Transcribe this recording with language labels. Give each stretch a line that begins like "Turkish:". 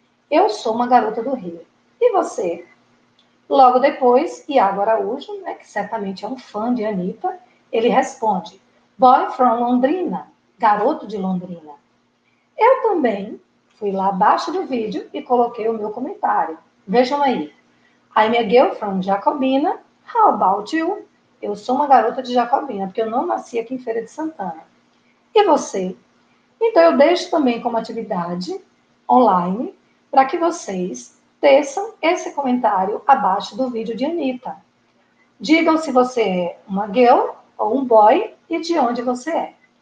Portuguese: Eu sou uma garota do Rio. E você? Logo depois, Iago Araújo, né, que certamente é um fã de Anitta, ele responde,
English: boy from Londrina,
Portuguese: garoto de Londrina. Eu também fui lá abaixo do vídeo e coloquei o meu comentário. Vejam aí,
English: I'm a girl from Jacobina, how about you?
Portuguese: Eu sou uma garota de Jacobina, porque eu não nasci aqui em Feira de Santana. E você? Então eu deixo também como atividade online para que vocês teçam esse comentário abaixo do vídeo de Anitta. Digam se você é uma girl ou um boy e de onde você é.